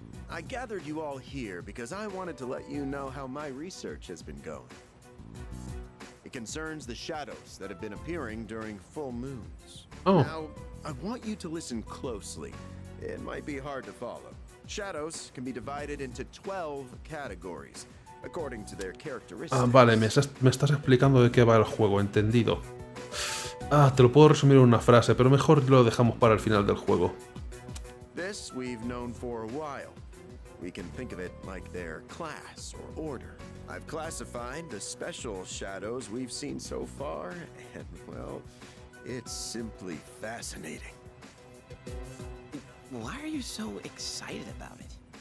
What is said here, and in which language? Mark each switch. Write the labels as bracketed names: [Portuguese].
[English] I gathered you all here because I wanted to let you know how my research has been going. It concerns the shadows that have been appearing during full moons. Oh. Now, I want you to listen closely. It might be hard to follow. Shadows can be divided into 12 categories, according to their characteristics. [Spanish] Ah, vale, me estás explicando de qué va el juego, entendido. Ah, te lo puedo resumir en una frase, pero mejor lo dejamos para el final del juego. [English] This we've known for a while. We can think of it like their class or order. I've classified the special shadows we've seen so far, and well, it's simply fascinating. Why are you so excited about it?